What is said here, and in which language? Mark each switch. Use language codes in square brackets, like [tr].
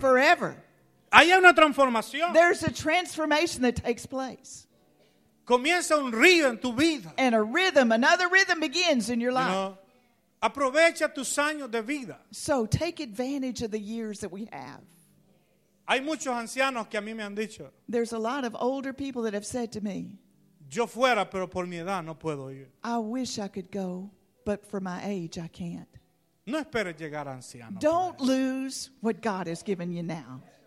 [en] Forever. [es] Hay una transformación. [en] There's a transformation that takes place. [es] Comienza un río en tu vida. [en] And a rhythm, another rhythm begins in your life. You know, [es] aprovecha tus años de vida. [en] So take advantage of the years that we have. [es] Hay muchos ancianos que a mí me han dicho. [en] There's a lot of older people that have said to me, [es] yo fuera, pero por mi edad no puedo ir. [en] I wish I could go, but for my age I can't. [es] No esperes llegar anciano. [en] Don't lose what God has given you now.